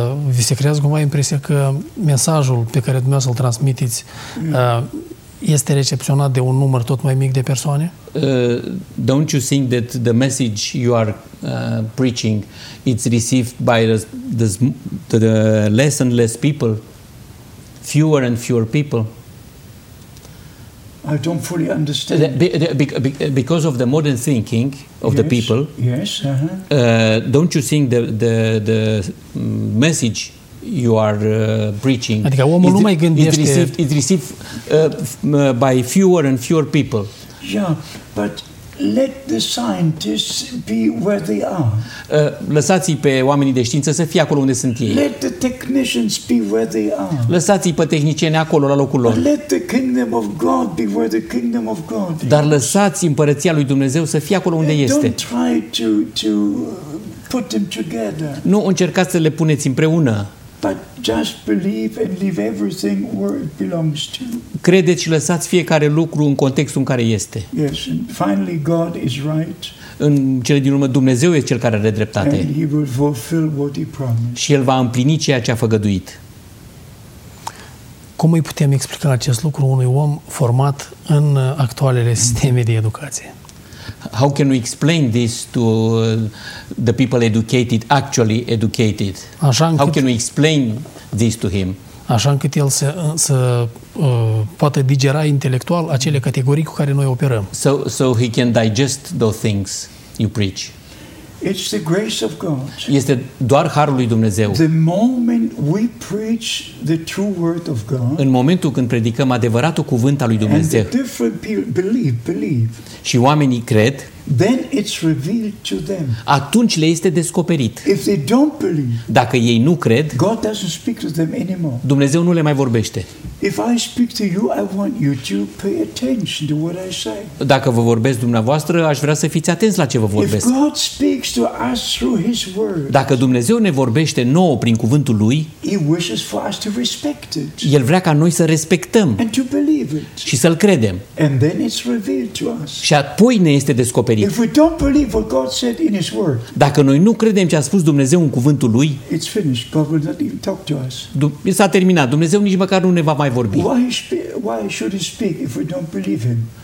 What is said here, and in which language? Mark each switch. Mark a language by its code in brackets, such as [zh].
[ro] Vi se creează cumva impresia că mesajul pe care dumneavoastră îl transmitiți este recepționat de un număr tot mai mic de persoane? [en] Don't you think that the message you are preaching it's received by the less and less people, fewer and fewer people? I don't fully understand. Because of the modern thinking of yes, the people, yes, don't you think the message you are preaching [ro] adică omul nu mai gândește... [en] is received by fewer and fewer people? Yeah, but let the scientists be where they are. [ro] Lăsați-i pe oamenii de știință să fie acolo unde sunt ei. [en] Let the technicians be where they are. [ro] Lăsați-i pe tehnicieni acolo la locul lor. [en] Let the kingdom of God be where the kingdom of God is. [ro] Dar lăsați împărăția lui Dumnezeu să fie acolo unde este. [en] Don't try to put them together. [ro] Nu încercați să le puneți împreună. [en] But just believe and leave everything where it belongs to. [ro] Credeți și lăsați fiecare lucru în contextul în care este. [en] Yes, and finally God is right. [ro] În cele din urmă Dumnezeu este cel care are dreptate. [en] And he will fulfill what he promised. [ro] Și el va împlini ceea ce a făgăduit. Cum îi putem explica acest lucru unui om format în actualele sisteme de educație? [en] How can we explain this to the people educated, actually educated? [ro] Așa încât, [en] how can we explain this to him? [ro] Așa încât el să poată digera intelectual acele categorii cu care noi operăm. [en] So he can digest those things you preach. It's the grace of God. [ro] Este doar harul lui Dumnezeu. [en] The moment we preach the true word of God. [ro] În momentul când predicăm adevăratul cuvânt al lui Dumnezeu. [en] And the different people believe. [ro] Și oamenii cred. [en] Then it's revealed to them. [ro] Atunci le este descoperit. [en] If they don't believe. [ro] Dacă ei nu cred. [en] God doesn't speak to them anymore. [ro] Dumnezeu nu le mai vorbește. [en] If I speak to you, I want you to pay attention to what I say. [ro] Dacă vă vorbesc dumneavoastră, aș vrea să fiți atenți la ce vă vorbesc. [en] If God speaks to us through his word. [ro] Dacă Dumnezeu ne vorbește nouă prin cuvântul lui. [en] He wishes for us to respect it. [ro] El vrea ca noi să respectăm. [en] And to believe it. [ro] Și să-l credem. [en] And then it's revealed to us. [ro] Și apoi ne este descoperit. [en] If we don't believe what God said in his word. [ro] Dacă noi nu credem ce a spus Dumnezeu în cuvântul lui. [en] It's finished. God will not even talk to us. [ro] S-a terminat. Dumnezeu nici măcar nu ne va mai vorbi. [en] Why should he speak if we don't believe him?